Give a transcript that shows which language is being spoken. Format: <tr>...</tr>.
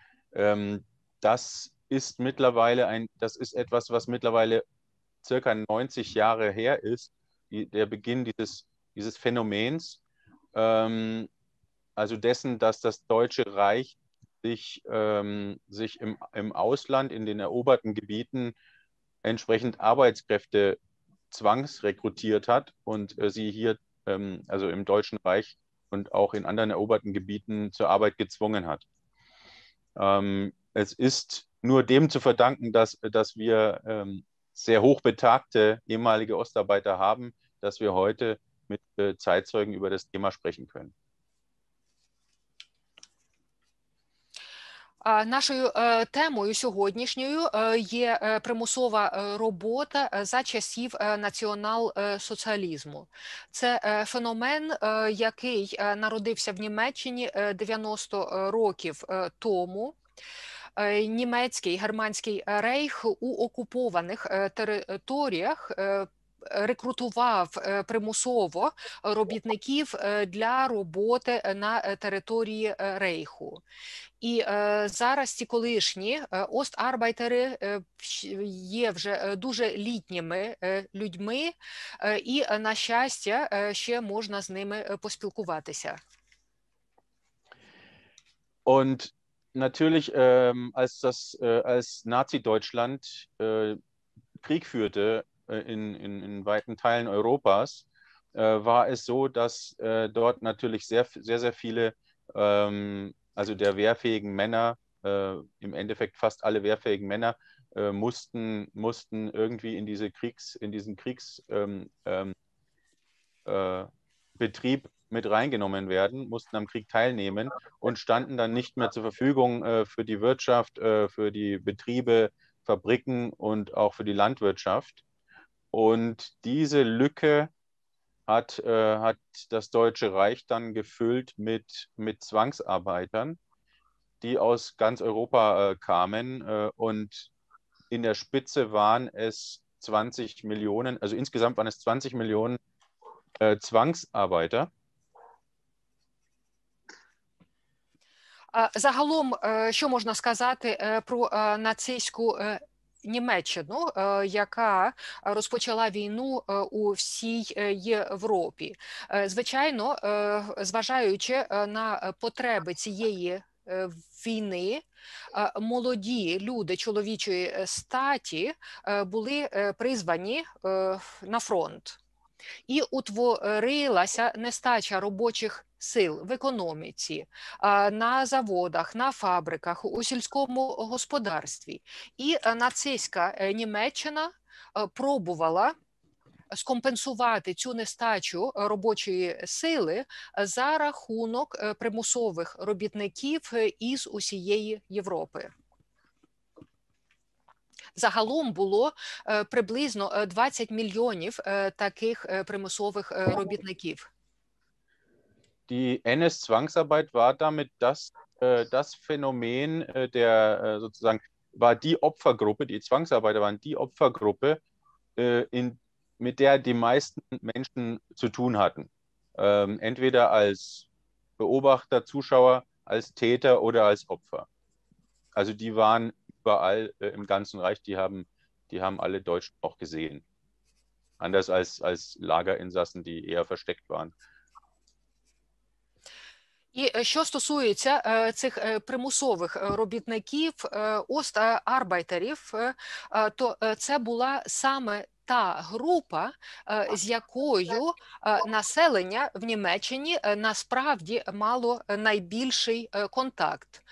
<de>Das ist etwas, was mittlerweile circa 90 Jahre her ist, der Beginn dieses Phänomens, also dessen, dass das Deutsche Reich sich im Ausland, in den eroberten Gebieten, entsprechend Arbeitskräfte zwangsrekrutiert hat und sie hier also im Deutschen Reich und auch in anderen eroberten Gebieten zur Arbeit gezwungen hat. Es ist nur dem zu verdanken, dass wir sehr hochbetagte ehemalige Ostarbeiter haben, dass wir heute mit Zeitzeugen über das Thema sprechen können.</de> <uk>Нашою темою сьогоднішньою є примусова робота за часів націонал-соціалізму. Це феномен, який народився в Німеччині 90 років тому. Німецький, германський рейх у окупованих територіях рекрутував примусово робітників для роботи на території Рейху. І зараз ці колишні остарбайтери є вже дуже літніми людьми, і, на щастя, ще можна з ними поспілкуватися.</uk> <de>Und natürlich, als Nazi-Deutschland Krieg führte in weiten Teilen Europas, war es so, dass dort natürlich sehr, sehr, sehr viele, also der wehrfähigen Männer, im Endeffekt fast alle wehrfähigen Männer, mussten irgendwie in diese Kriegsbetrieb mit reingenommen werden, mussten am Krieg teilnehmen und standen dann nicht mehr zur Verfügung für die Wirtschaft, für die Betriebe, Fabriken und auch für die Landwirtschaft. Und diese Lücke hat das Deutsche Reich dann gefüllt mit Zwangsarbeitern, die aus ganz Europa kamen. Und in der Spitze waren es 20 Millionen, also insgesamt waren es 20 Millionen Zwangsarbeiter.</de> <uk>Загалом, що можна сказати про нацистську Німеччину, яка розпочала війну у всій Європі? Звичайно, зважаючи на потреби цієї війни, молоді люди чоловічої статі були призвані на фронт. І утворилася нестача робочих сил в економіці, на заводах, на фабриках, у сільському господарстві. І нацистська Німеччина пробувала скомпенсувати цю нестачу робочої сили за рахунок примусових робітників із усієї Європи. Загалом було приблизно 20 мільйонів таких примусових робітників.</uk> <de>Die NS-Zwangsarbeit war damit das Phänomen der sozusagen war die Opfergruppe, die Zwangsarbeiter waren die Opfergruppe, mit der die meisten Menschen zu tun hatten. Entweder als Beobachter, Zuschauer, als Täter oder als Opfer. Also die waren überall im ganzen Reich, die haben alle Deutschen auch gesehen. Anders als Lagerinsassen, die eher versteckt waren.</de> <uk>І що стосується цих примусових робітників, остарбайтерів, то це була саме та група, з якою населення в Німеччині насправді мало найбільший контакт.</uk>